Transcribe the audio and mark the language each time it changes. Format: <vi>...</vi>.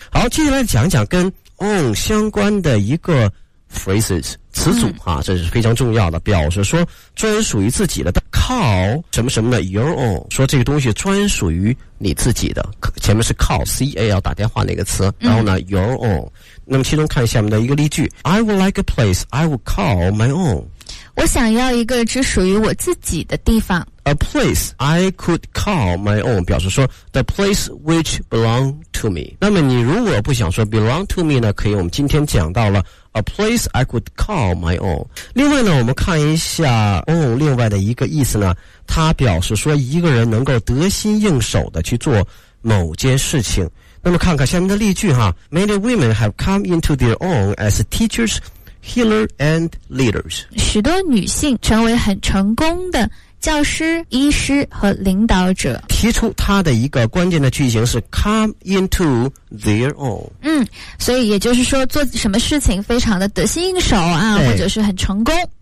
<zh>好，接下来讲一讲跟 own 相关的一个 phrases 词组哈、这是非常重要的，表示说专属于自己的，靠什么什么的</zh> <en>your own，</en> <zh>说这个东西专属于你自己的。前面是靠 C A 要打电话那个词，然后呢</zh> <en>your own。</en> <zh>那么其中看下面的一个例句</zh> <en>，I would like a place, I would call my own。</en> <zh>我想要一个只属于我自己的地方。</zh> <en>A place I could call my own 表示说 the place which belong to me。</en> <zh>那么你如果不想说</zh> <en>belong to me</en> <zh>呢，可以我们今天讲到了</zh> <en>a place I could call my own。</en> <zh>另外呢，我们看一下 own 另外的一个意思呢，它表示说一个人能够得心应手的去做某件事情。那么看看下面的例句哈，</zh> <en>Many women have come into their own as teachers, healers and leaders。</en> <zh>许多女性成为很成功的教师、医师和领导者。提出他的一个关键的句型是</zh> <en>come into their own。</en> <zh>所以也就是说做什么事情非常的得心应手啊，或者是很成功。</zh>